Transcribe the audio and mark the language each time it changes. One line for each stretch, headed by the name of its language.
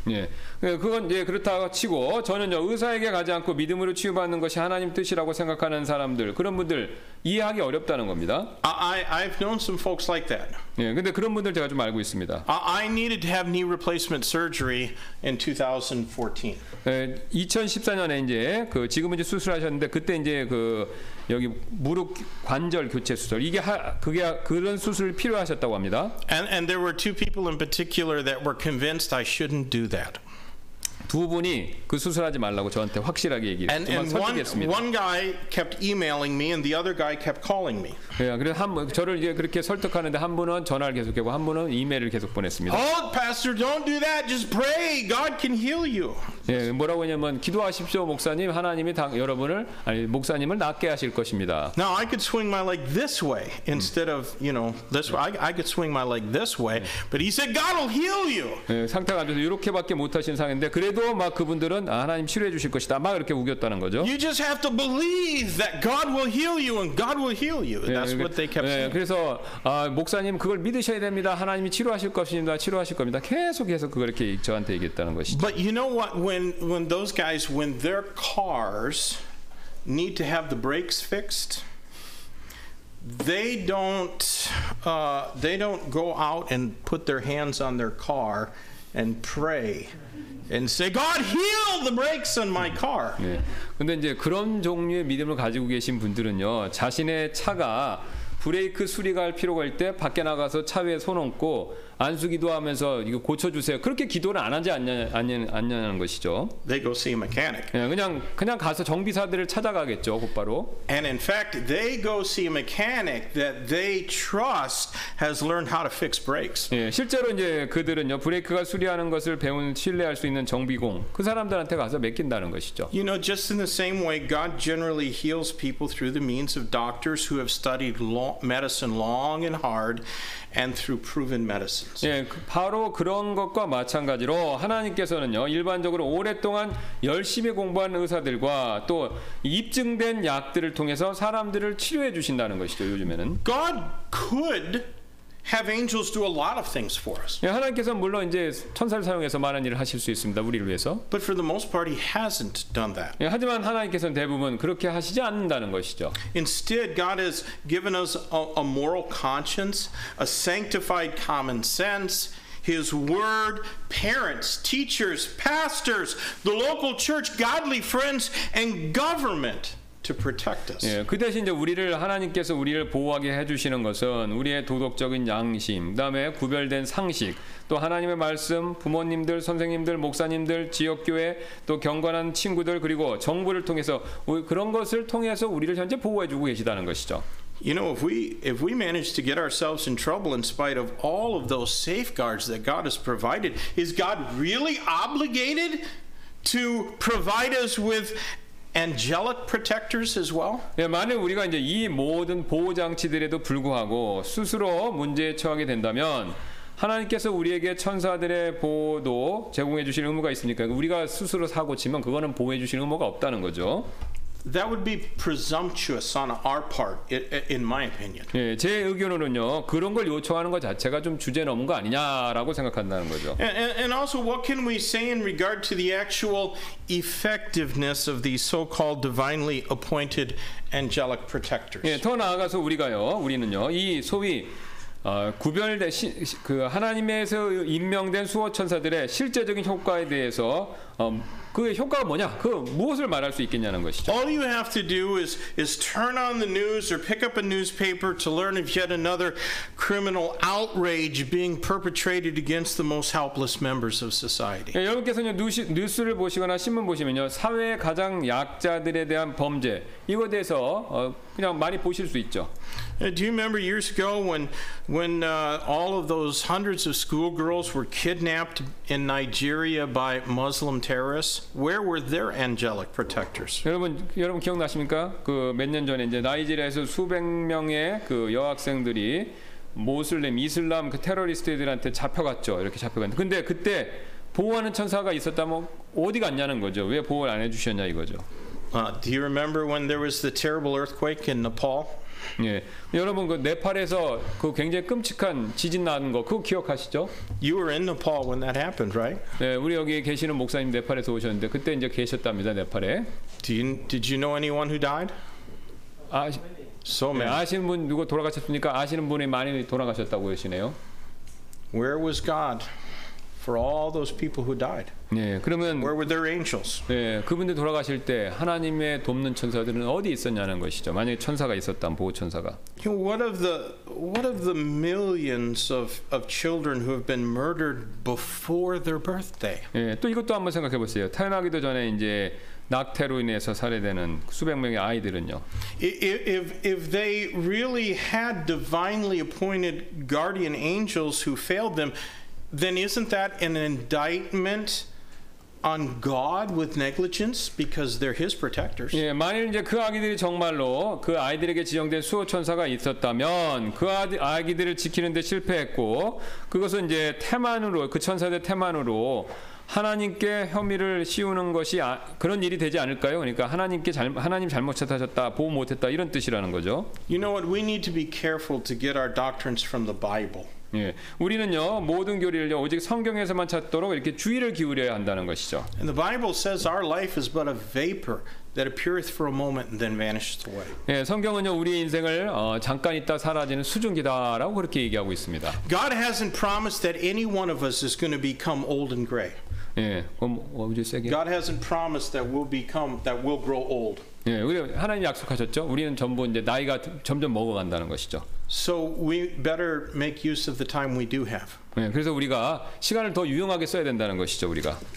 Korean: 예. 그건 예 그렇다고 치고 저는요 의사에게 가지 않고 믿음으로 치유받는 것이 하나님 뜻이라고 생각하는 사람들 그런 분들 이해하기 어렵다는 겁니다.
English: I've known some folks like that.
Korean: 예. 근데 그런 분들 제가 좀 알고 있습니다.
English: I needed to have knee replacement surgery in 2014.
Korean: 예, 2014년에 이제 그 지금 이제 수술하셨는데 그때 이제 그 여기 무릎 관절 교체 수술 이게 그게 그런 수술이 필요하셨다고 합니다.
English: And there were two people in particular that were convinced I shouldn't do that.
Korean: 두 분이 그 수술하지 말라고 저한테 확실하게 얘기를
English: and
Korean: 설득했습니다.
English: One guy kept emailing me and the other guy kept calling me.
Korean: 예, 그래서 저를 이제 그렇게 설득하는데 한 분은 전화를 계속하고 한 분은 이메일을 계속 보냈습니다.
English: Oh, pastor, don't do that. Just pray. God can heal you.
Korean: 예, 뭐라고 하냐면 기도하십시오, 목사님. 하나님이 여러분을 아니 목사님을 낫게 하실 것입니다.
English: Now I could swing my leg this way instead of, you know, this way. I could swing my leg this way, but he said God will heal you.
Korean: 예, 상태가 안 좋아서 이렇게밖에 못 하신 상인데 그래도 막 그분들은 아, 하나님 치료해 주실 것이다. 막 이렇게 우겼다는 거죠.
English: You just have to believe that God will heal you and God will heal you. That's what they kept saying.
Korean: 예, 그래서 아, 목사님 그걸 믿으셔야 됩니다. 하나님이 치료하실 것입니다. 치료하실 겁니다. 계속해서 그렇게 저한테 얘기했다는 것이죠.
English: But you know what? When those guys, when their cars need to have the brakes fixed, they don't go out and put their hands on their car and pray and say, God, heal the brakes on my car.
Korean: 네. 근데 이제 그런 종류의 믿음을 가지고 계신 분들은요, 자신의 차가 브레이크 수리할 필요가 있을 때 밖에 나가서 차 위에 손 얹고 안수 기도하면서 이거 고쳐주세요. 그렇게 기도는 안 하지 않냐는 것이죠.
English: They go see a mechanic.
Korean: 그냥 가서 정비사들을 찾아가겠죠, 곧바로.
English: And in fact, they go see a mechanic that they trust has learned how to fix brakes.
Korean: 예, 실제로 이제 그들은요 브레이크가 수리하는 것을 배운 신뢰할 수 있는 정비공 그 사람들한테 가서 맡긴다는 것이죠.
English: You know, just in the same way, God generally heals people through the means of doctors who have studied medicine long and hard. And through proven medicines.
Korean: 예, 바로 그런 것과 마찬가지로 하나님께서는요 일반적으로 오랫동안 열심히 공부한 의사들과 또 입증된 약들을 통해서 사람들을 치료해 주신다는 것이죠 요즘에는.
English: God could have angels do a lot of things for us.
Korean: 예, 하나님께서는 물론 이제 천사를 사용해서 많은 일을 하실 수 있습니다 우리를 위해서.
English: But for the most part, he hasn't done that.
Korean: 예, 하지만 하나님께서는 대부분 그렇게 하시지 않는다는 것이죠.
English: Instead, God has given us a moral conscience, a sanctified common sense, His Word, parents, teachers, pastors, the local church, godly friends, and government. To protect us.
Korean: 예, 그 대신 이제 우리를 하나님께서 우리를 보호하게 해주시는 것은 우리의 도덕적인 양심, 그다음에 구별된 상식, 또 하나님의 말씀, 부모님들, 선생님들, 목사님들, 지역교회, 또 경건한 친구들 그리고 정부를 통해서 그런 것을 통해서 우리를 현재 보호해주고 계시다는 것이죠.
English: You know, if we manage to get ourselves in trouble in spite of all of those safeguards that God has provided, is God really obligated to provide us with angelic protectors as well?
Korean: 예, 만약 우리가 이제 이 모든 보호 장치들에도 불구하고 스스로 문제에 처하게 된다면 하나님께서 우리에게 천사들의 보호도 제공해 주실 의무가 있습니까? 우리가 스스로 사고 치면 그거는 보호해 주실 의무가 없다는 거죠.
English: That would be presumptuous on our part, in my opinion.
Korean: 예, 제 의견으로는요 그런 걸 요청하는 것 자체가 좀 주제넘은 거 아니냐라고 생각한다는 거죠.
English: And also, what can we say in regard to the actual effectiveness of these so-called divinely appointed angelic protectors?
Korean: 예, 더 나아가서 우리는요 이 소위 구별된 그 하나님에서 임명된 수호 천사들의 실제적인 효과에 대해서 그의 효과가 뭐냐? 그 무엇을 말할 수 있겠냐는 것이죠.
English: All you have to do is turn on the news or pick up a newspaper to learn of yet another criminal outrage being perpetrated against the most helpless members of society.
Korean: 여러분께서는 뉴스를 보시거나 신문 보시면요, 사회의 가장 약자들에 대한 범죄 이것에 대해서 그냥 많이 보실 수 있죠.
English: Do you remember years ago when all of those hundreds of schoolgirls were kidnapped in Nigeria by Muslim terrorists? Where were their angelic protectors?
Korean: 여러분 기억나십니까? 그 몇 년 전에 이제 나이지리아에서 수백 명의 그 여학생들이 모슬림 이슬람 그 테러리스트들한테 잡혀갔죠. 이렇게 잡혀갔는데 근데 그때 보호하는 천사가 있었다면 어디 갔냐는 거죠. 왜 보호를 안 해주셨냐 이거죠.
English: Do you remember when there was the terrible earthquake in Nepal?
Korean: 예, 여러분 그 네팔에서 그 굉장히 끔찍한 지진 나는 거 그거 기억하시죠?
English: You were in Nepal when that happened, right?
Korean: 네, 우리 여기 계시는 목사님 네팔에서 오셨는데 그때 이제 계셨답니다 네팔에.
English: Did you know anyone who died?
Korean: 아시, 네, 아시는 분 누구 돌아가셨습니까? 아시는 분이 많이 돌아가셨다고 하시네요.
English: Where was God for all those people who died?
Korean: 네, 그러면
English: Where were their angels?
Korean: 네, 그분들 돌아가실 때 하나님의 돕는 천사들은 어디 있었냐는 것이죠. 만약에 천사가 있었다면 보호 천사가.
English: You know, what of the millions of children who have been murdered before their birthday?
Korean: 네, 또 이것도 한번 생각해 보세요. 태어나기도 전에 이제 낙태로 인해서 살해되는 수백 명의 아이들은요.
English: If they really had divinely appointed guardian angels who failed them, then isn't that an indictment on God with negligence because they're His protectors?
Korean: 예, 만일 이제 그 아기들이 정말로 그 아이들에게 지정된 수호 천사가 있었다면 그 아기들을 지키는데 실패했고 그것은 이제 태만으로 그 천사들 태만으로 하나님께 혐의를 씌우는 것이 그런 일이 되지 않을까요? 그러니까 하나님께 하나님 잘못했다, 보호 못했다 이런 뜻이라는 거죠.
English: You know what? We need to be careful to get our doctrines from the Bible.
Korean: 예, 우리는요 모든 교리를요 오직 성경에서만 찾도록 이렇게 주의를 기울여야 한다는 것이죠.
English: And the Bible says our life is but a vapor that appeareth for a moment and then vanishes away.
Korean: 예, 성경은요 우리의 인생을 잠깐 있다 사라지는 수증기다라고 그렇게 얘기하고 있습니다.
English: God hasn't promised that any one of us is going to become old and gray.
Korean: 예, 그럼 어디 세게?
English: God hasn't promised that we'll grow old.
Korean: 예, 우리 하나님 약속하셨죠. 우리는 전부 이제 나이가 점점 먹어간다는 것이죠.
English: So we better make use of the time we do have.
Korean: 예, 그래서 우리가 시간을 더 유용하게 써야 된다는 것이죠, 우리가.